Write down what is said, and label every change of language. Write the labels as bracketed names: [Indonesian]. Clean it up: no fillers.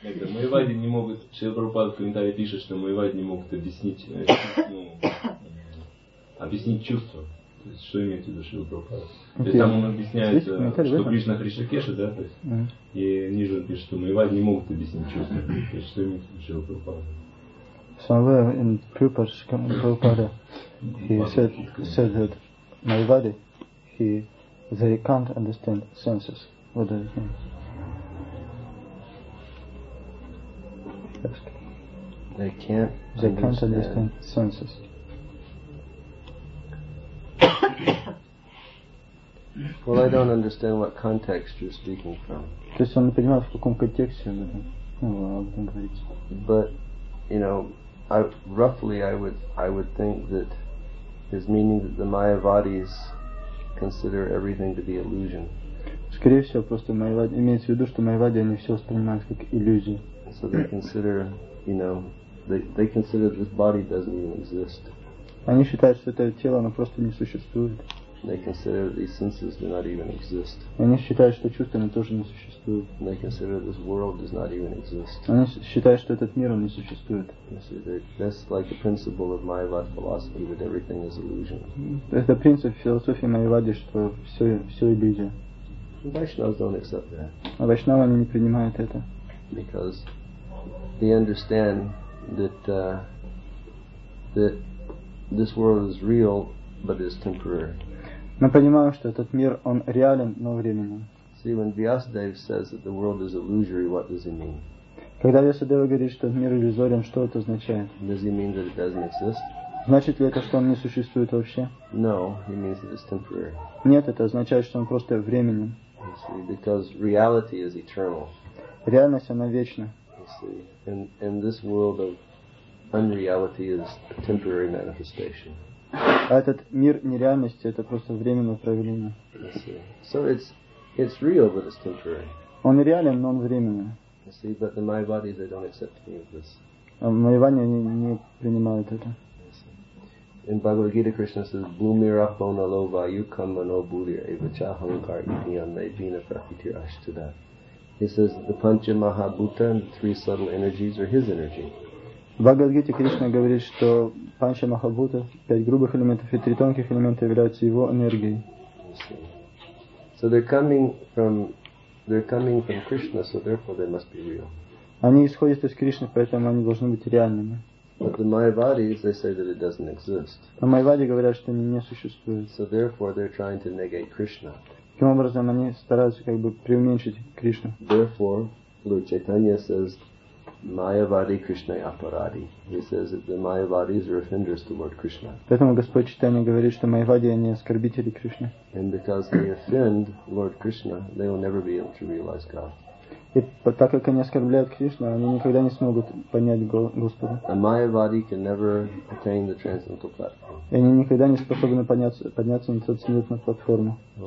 [Russian] Майвади не могут, Шрила Прабхупада в комментарии пишет, что майвади не могут объяснить чувства. То есть, что имеет в виду Шрила Прабхупада? То есть, там он объясняет, что Кришна Хришакеша, да? То есть, и ниже он пишет, что майвади не могут объяснить чувства. То есть, что имеет в виду Шрила Прабхупада? [English] Somewhere in Prabhupada's Prabhupada, he said that Mayavadi, they can't understand senses. What does it mean? They can't understand senses. Well, I don't understand what context you're speaking from. [Russian] То есть он не понимает, в каком контексте он говорит. [English] But, you know, I would think that his meaning that the Mayavadis consider everything to be illusion. [Russian] Скорее всего, просто Майявади имеет в виду, что Майявади они все воспринимают как иллюзию. [English] So they consider, you know, they consider this body doesn't even exist. [Russian] Они считают, что это тело, оно просто не существует. [English] They consider these senses do not even exist. [Russian] Они считают, что чувства они тоже не существуют. [English] They consider this world does not even exist. [Russian] Они считают, что этот мир он не существует. [English] That's like the principle of Mayavada philosophy that everything is illusion. [Russian] Это принцип философии Майявады, что все иллюзия. [English] Vaishnavas don't accept that. [Russian] А вайшнавы они не принимают это. [English] Because they understand that this world is real, but it's temporary. [Russian] Мы понимаем, что этот мир, он реален, но временен. [English] See, when Vyasadeva says that the world is illusory, what does he mean? [Russian] Когда Vyasadeva говорит, что мир иллюзорен, что это означает? [English] Does he mean that it doesn't exist? [Russian] Значит ли это, что он не существует вообще? [English] No, he means that it's temporary. [Russian] Нет, это означает, что он просто временен. [English] See, because reality is eternal. [Russian] Реальность, она вечна. [English] See, and this world of unreality is a temporary manifestation. [Russian] А этот мир нереальности это просто временное проявление. [English] So it's real, but it's temporary. [Russian] Он реален, но он временный. [English] See, but the Mayavadi they don't accept any of this. [Russian] А Mayavadi они не принимают это. [English] In Bhagavad Gita Krishna says, [Sanskrit] Bhumirapo nalo vayukam mano bhulir eva chahankar idhiyam nevina prakritir ashtada. [English] He says the pancha mahabhuta and the three subtle energies are his energy. [Russian] В Бхагавад-гите Кришна говорит, что панча махабхута, пять грубых элементов и три тонких элемента являются его энергией. [English] So they're coming from Krishna, so therefore they must be real. [Russian] Они исходят из Кришны, поэтому они должны быть реальными. [English] But the Mayavadis, they say that it doesn't exist. [Russian] А Майявади говорят, что они не существуют. [English] So therefore they're trying to negate Krishna. [Russian] Таким образом, они стараются как бы преуменьшить Кришну. [English] Therefore, Lord Chaitanya says, [Bangla] Mayavadi Krishna Aparadi. [English] He says that the Mayavadis are offenders toward Krishna. [Russian] Поэтому Господь Читания говорит, что Майявади они оскорбители Кришны. [English] And because they offend Lord Krishna, they will never be able to realize God. [Russian] И так как они оскорбляют Кришну, они никогда не смогут понять Господа. [English] A Mayavadi can never attain the transcendental platform. [Russian] И они никогда не способны подняться на трансцендентную платформу.